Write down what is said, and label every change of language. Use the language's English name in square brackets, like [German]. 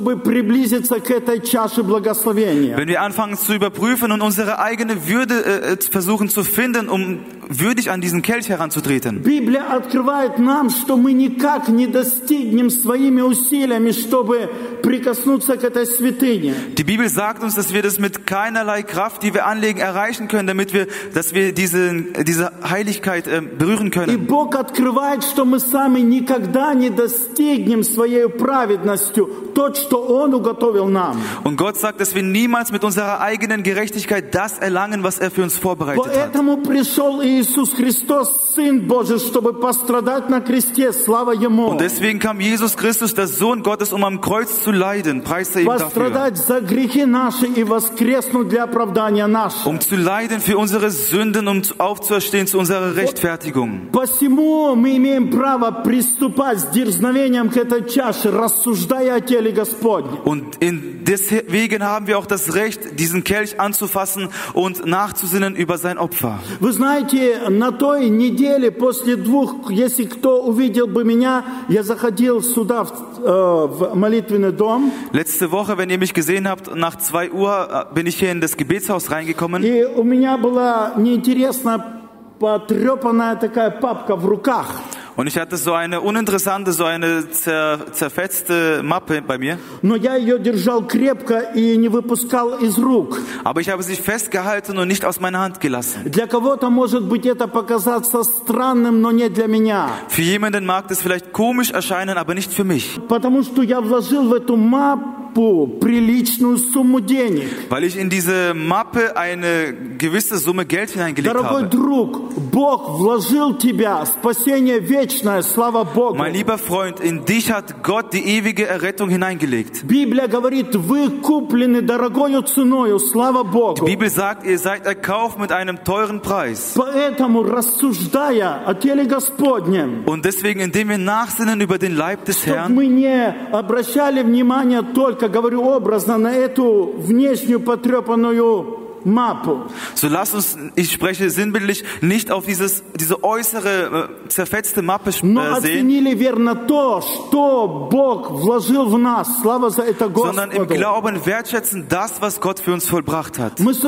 [German] wenn wir anfangen zu überprüfen und unsere eigene Würde versuchen zu finden, um würdig an diesen Kelch heranzutreten. Die Bibel [Russian] открывает нам, что мы никак не достигнем своими усилиями, чтобы прикоснуться к этой святыне. [German] Die Bibel sagt uns, dass wir das mit keinerlei Kraft, die wir anlegen, erreichen können, damit wir, dass wir diese Heiligkeit berühren können. [Russian] И Бог открывает, что мы сами никогда не достигнем своей праведностью то, что Он уготовил нам. [German] Und Gott sagt, dass wir niemals mit unserer eigenen Gerechtigkeit das erlangen, was er für uns vorbereitet hat. [Russian] Поэтому пришел Иисус Христос, Сын Божий, чтобы пострадать на кресте, слава Ему. [German] Und deswegen kam Jesus Christus, der Sohn Gottes, um am Kreuz zu leiden, preis sei ihm dafür. [Russian] Пострадать за грехи наши и воскреснуть для оправдания нашего. [German] Um zu leiden für unsere Sünden und aufzuerstehen zu unserer Rechtfertigung. [Russian] Посему мы имеем право приступать с дерзновением к этой чаше, рассуждая о теле Господнем. [German] Und deswegen haben wir auch das Recht, diesen Kelch anzufassen und nachzusinnen über sein Opfer. [Russian] Знаете, на той неделе после двух, если кто увидел бы меня, я заходил сюда в молитвенный дом. [German] Letzte Woche, wenn ihr mich gesehen habt, nach 2 Uhr bin ich hier in das Gebetshaus reingekommen. [Russian] И у меня была неинтересная потрепанная такая папка в руках. [German] Und ich hatte so eine uninteressante, so eine zerfetzte Mappe bei mir. [Russian] Но я ее держал крепко и не выпускал из рук. [German] Aber ich habe sie festgehalten und nicht aus meiner Hand gelassen. [Russian] Для кого-то может быть это показаться странным, но не для меня. [German] Für jemanden mag das vielleicht komisch erscheinen, aber nicht für mich. [Russian] Потому что я вложил в эту Mappe приличную сумму денег. [German] Weil ich in diese Mappe eine gewisse Summe Geld hineingelegt [Russian] Дорогой [German] habe. [Russian] Дорогой друг, Бог вложил тебя спасение в вечное, слава Богу. [German] Mein lieber Freund, in dich hat Gott die ewige Errettung hineingelegt. [Russian] Библия говорит, вы куплены дорогою ценою, слава Богу. [German] Die Bibel sagt, ihr seid erkauft mit einem teuren Preis. [Russian] Поэтому, рассуждая о теле Господнем, [German] und deswegen, indem wir nachsinnen über den Leib des Herrn, [Russian] чтобы мы не обращали внимание только, говорю образно, на эту внешнюю потрепанную Mappe. [German] So lass uns, ich spreche sinnbildlich, nicht auf diese äußere, zerfetzte Mappe sehen, sondern im Glauben wertschätzen das, was Gott für uns vollbracht hat.